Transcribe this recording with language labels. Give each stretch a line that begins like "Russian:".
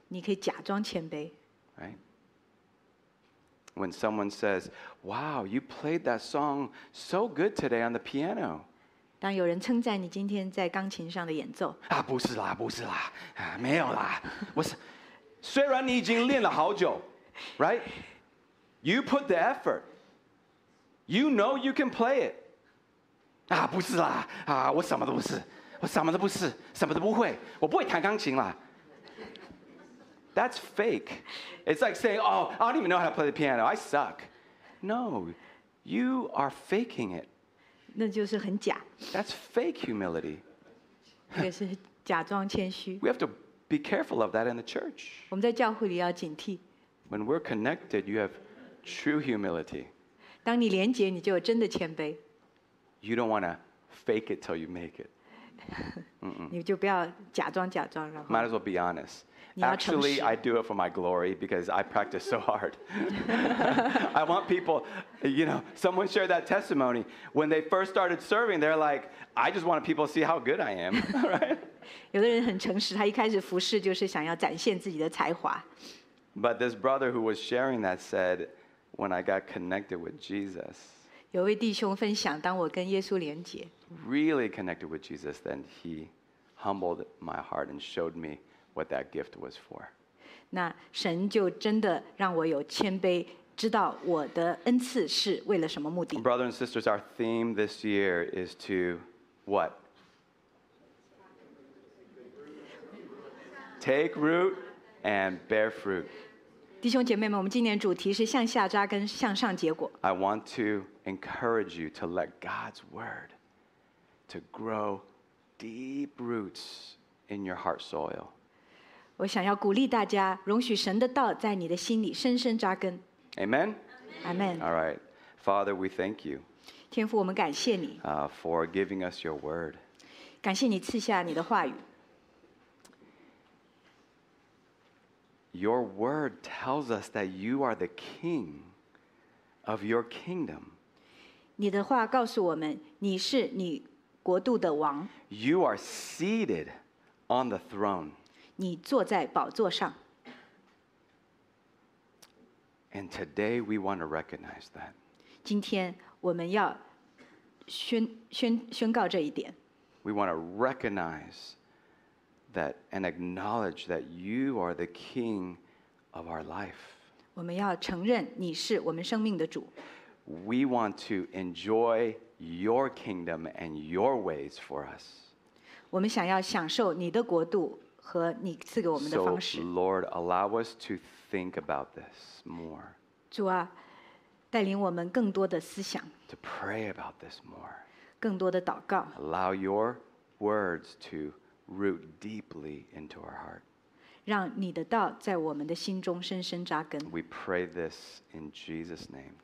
Chinese: 你可以假装谦卑。
English: Right? when someone says, "Wow, you played that song so good today on the piano."
Chinese: 当有人称赞你今天在钢琴上的演奏。啊，不是啦，不是啦，啊，没有啦，我是，虽然你已经练了好久，
English: right? You put the effort. You know you can play it.
Chinese: 啊，不是啦，啊，我什么都不是，我什么都不是，什么都不会，我不会弹钢琴啦。
English: That's fake. It's like saying, oh, I don't even know how to play the piano. I suck. No, you are faking it.
Chinese: 那就是很假。
English: That's fake humility.
Chinese: 这是假装谦虚。
English: We have to be careful of that in the church.
Chinese: 我们在教会里要警惕。
English: When we're connected, you have true humility.
Chinese: 当你连结，你就有真的谦卑。
English: You don't want to fake it till you make it.
Chinese: 你就不要假装假装，然后。
English: Might as well be honest. Actually, I do it for my glory because I practice so hard. I want people, you know, someone shared that testimony. When they first started serving, they're like, I just want people to see how good I am, right?
Chinese: 有的人很诚实，他一开始服侍就是想要展现自己的才华。
English: But this brother who was sharing that said, when I got connected with Jesus,
Chinese: 有位弟兄分享，当我跟耶稣连结，
English: really connected with Jesus, then he humbled my heart and showed me. What that gift was for.
Chinese: 那神就真的让我有谦卑，知道我的恩赐是为了什么目的。
English: Brothers and sisters, our theme this year is to what? Take root and bear fruit.
Chinese: 弟兄姐妹们，我们今年主题是向下扎根，向上结果。
English: I want to encourage you to let God's word to grow deep roots in your heart soil.
Chinese: 我想要鼓励大家，容许神的道在你的心里深深扎根。
English: Amen. Amen. All right, Father, we thank you.
Chinese: 天父，我们感谢你。
English: For giving us your word.
Chinese: 感谢你赐下你的话语。
English: Your word tells us that you are the king of your kingdom.
Chinese: 你的话告诉我们，你是你国度的王。
English: You are seated on the throne.
Chinese: 你坐在宝座上。
English: And today we want to recognize that.
Chinese: 今天我们要宣告这一点。
English: We want to recognize that and acknowledge that you are the king of our life.
Chinese: 我们要承认你是我们生命的主。
English: We want to enjoy your kingdom and your ways for us.
Chinese: 我们想要享受你的国度。和你赐给我们的方式。
English: So, Lord, allow us to think about this more.
Chinese: 主啊，带领我们更多的思想。
English: To pray about this more.
Chinese: 更多的祷告。
English: Allow your words to root deeply into our heart.
Chinese: 让你的道在我们的心中深深扎根。
English: We pray this in Jesus' name.